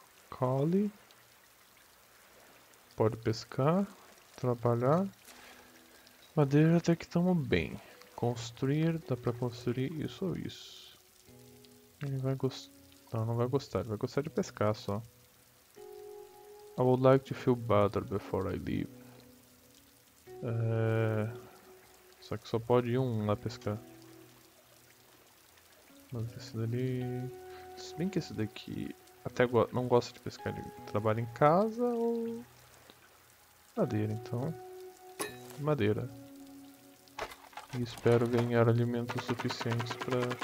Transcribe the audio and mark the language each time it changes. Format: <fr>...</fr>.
<pt>Collie. Pode pescar. Trabalhar. Madeira até que estamos bem. Construir, dá pra construir isso ou isso. Ele vai gostar. Não, não vai gostar. Ele vai gostar de pescar só.</pt> <en>I would like to feel better before I leave.</en> <pt>Só que só pode ir um lá pescar. Mas esse dali... Se bem que esse daqui até não gosta de pescar, ele trabalha em casa ou... Madeira, então. Madeira. E espero ganhar alimentos suficientes pra...</pt>